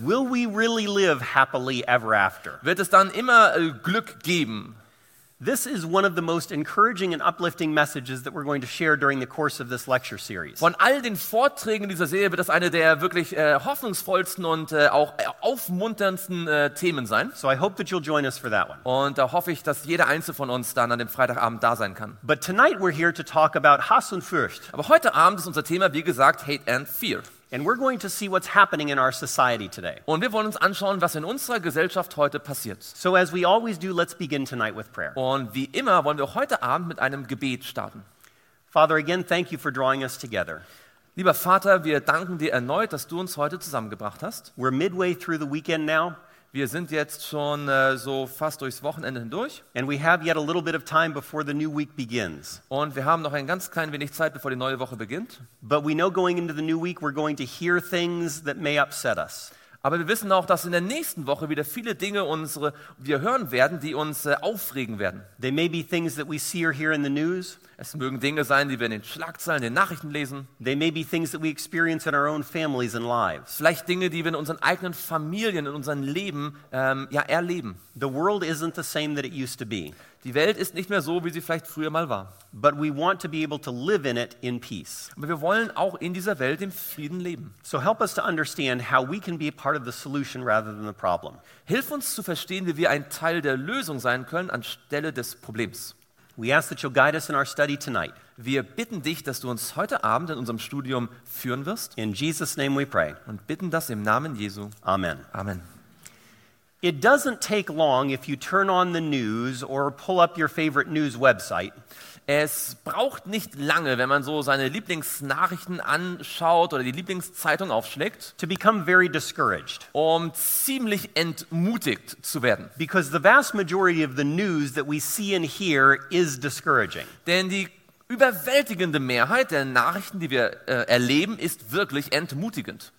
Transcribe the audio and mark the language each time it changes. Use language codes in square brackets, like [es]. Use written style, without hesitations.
[en] Will we really live happily ever after? [de] Wird es dann immer Glück geben? [en] This is one of the most encouraging and uplifting messages that we're going to share during the course of this lecture series. [de] Von all den Vorträgen dieser Serie wird das eine der wirklich hoffnungsvollsten und auch aufmunterndsten Themen sein. [en] So I hope that you'll join us for that one. [de] Und da hoffe ich, dass jeder Einzelne von uns dann an dem Freitagabend da sein kann. [en] But tonight we're here to talk about [de] Hass und Furcht. Aber heute Abend ist unser Thema, wie gesagt, [en] Hate and Fear. And we're going to see what's happening in our society today. [de] Und wir wollen uns anschauen, was in unserer Gesellschaft heute passiert. [en] So as we always do, let's begin tonight with prayer. [de] Und wie immer wollen wir heute Abend mit einem Gebet starten. [en] Father, again, thank you for drawing us together. [de] Lieber Vater, wir danken dir erneut, dass du uns heute zusammengebracht hast. [en] We're midway through the weekend now. [de] Wir sind jetzt schon so fast durchs Wochenende hindurch. [en] And we have yet a little bit of time before the new week begins. [de] Und wir haben noch ein ganz klein wenig Zeit, bevor die neue Woche beginnt. [en] But we know going into the new week we're going to hear things that may upset us. [de] Aber wir wissen auch, dass in der nächsten Woche wieder viele Dinge wir hören werden, die uns aufregen werden. [en] They may be things that we see or hear in the news. [de] Es mögen Dinge sein, die wir in den Schlagzeilen, in den Nachrichten lesen. [en] They may be things that we experience in our own families and lives. [de] Vielleicht Dinge, die wir in unseren eigenen Familien, in unserem Leben erleben. [en] The world isn't the same that it used to be. [de] Die Welt ist nicht mehr so, wie sie vielleicht früher mal war. [en] But we want to be able to live in it in peace. [de] Aber wir wollen auch in dieser Welt im Frieden leben. [en] So help us to understand how we can be a part of the solution rather than the problem. [de] Hilf uns zu verstehen, wie wir ein Teil der Lösung sein können anstelle des Problems. [en] We ask that you'll guide us in our study tonight. [de] Wir bitten dich, dass du uns heute Abend in unserem Studium führen wirst. [en] In Jesus' name we pray. [de] Und bitten das im Namen Jesu. [en] Amen. [de] Amen. [en] It doesn't take long if you turn on the news or pull up your favorite news website. [de] Es braucht nicht lange, wenn man so seine Lieblingsnachrichten anschaut oder die Lieblingszeitung aufschlägt, [en] to become very discouraged. [de] Um ziemlich entmutigt zu werden. [en] Because the vast majority of the news that we see and hear is discouraging. [de] Denn die überwältigende Mehrheit der Nachrichten, die wir erleben, ist wirklich entmutigend.